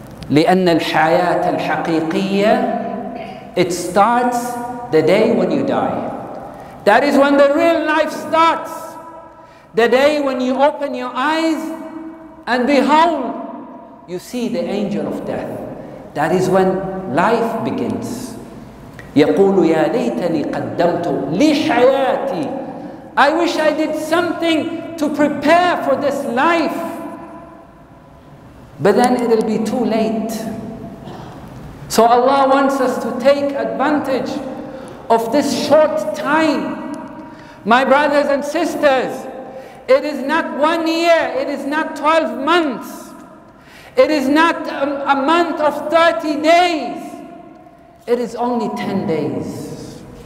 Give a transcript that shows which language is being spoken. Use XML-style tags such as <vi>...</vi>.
<ar>لأن الحياة الحقيقية,</ar> <en>it starts the day when you die. That is when the real life starts. The day when you open your eyes and behold, you see the angel of death. That is when life begins.</en> <ar>يقول يا ليتني قدمت لحياتي.</ar> <en>I wish I did something to prepare for this life. But then it'll be too late. So Allah wants us to take advantage of this short time. My brothers and sisters, it is not 1 year, it is not 12 months, it is not a month of 30 days, it is only 10 days.</en>